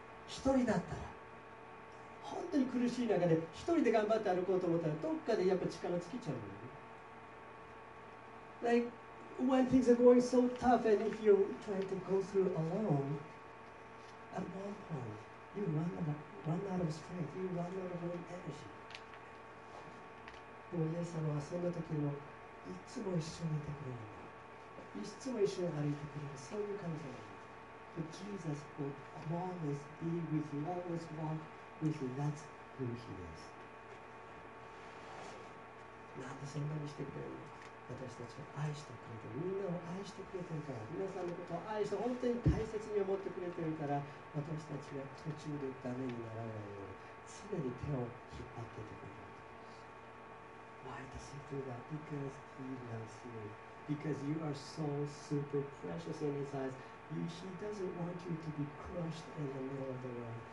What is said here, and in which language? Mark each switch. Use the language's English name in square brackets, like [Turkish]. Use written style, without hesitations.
[Japanese] 一人だったら、本当に苦しい中で一人で頑張って歩こうと思ったらどっかでやっぱ力尽きちゃうよね。 [English] Like, when things are going so tough and if you're trying to go through alone, at one point, you run out of strength, you run out of energy. [Japanese] でもイエス様はそんな時もいつも一緒にいてくれる、いつも一緒に歩いてくれる、そういう感じなんだ。 [English] But Jesus would always be with you, always walk with you. That's who he is. [Japanese] なんでそんなにしてくれるの。私たちを愛してくれて、みんなを愛してくれてるから、皆さんのことを愛して本当に大切に思ってくれてるから、私たちが途中でダメにならないように常に手を引っ張っててくれる。 [English] Why does he do that? Because he loves you. Because you are so super precious in his eyes. He doesn't want you to be crushed in the middle of the road.